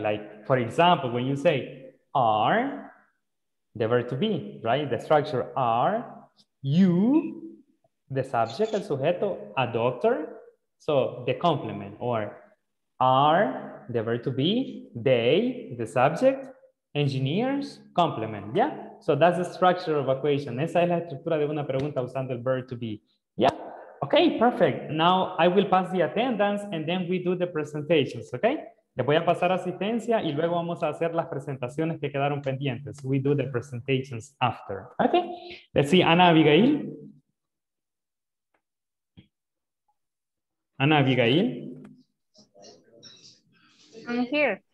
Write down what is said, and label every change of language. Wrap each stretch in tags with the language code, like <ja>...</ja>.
<en>Like, for example, when you say are, the verb to be, right? The structure are, you, the subject,</en> <es>el sujeto,</es> <en>a doctor, so the complement, or are, the verb to be, they, the subject, engineers, complement, yeah? So that's the structure of a question.</en> <es>Esa es la estructura de una pregunta usando el</es> <en>verb to be, yeah? Okay, perfect. Now I will pass the attendance and then we do the presentations, okay?</en> <es>Le voy a pasar asistencia y luego vamos a hacer las presentaciones que quedaron pendientes.</es> <en>We do the presentations after, okay? Let's see, Ana Abigail. Ana Abigail. I'm here.</en>